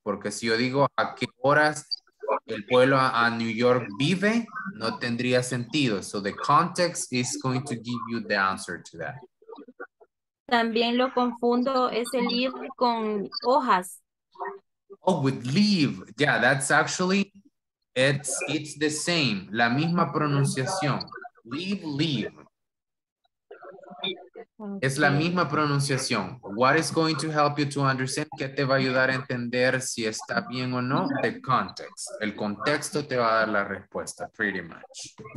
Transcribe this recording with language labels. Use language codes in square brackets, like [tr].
[es] Porque si yo digo a qué horas el pueblo a New York vive, no tendría sentido. [en] So the context is going to give you the answer to that. [es] También lo confundo ese leave con hojas. [en] Oh, with leave. Yeah, that's actually, it's the same. [es] La misma pronunciación. Leave, leave. Okay. Es la misma pronunciación. [en] What is going to help you to understand? [es] ¿Qué te va a ayudar a entender si está bien o no? [en] The context. [es] El contexto te va a dar la respuesta, [en] pretty much.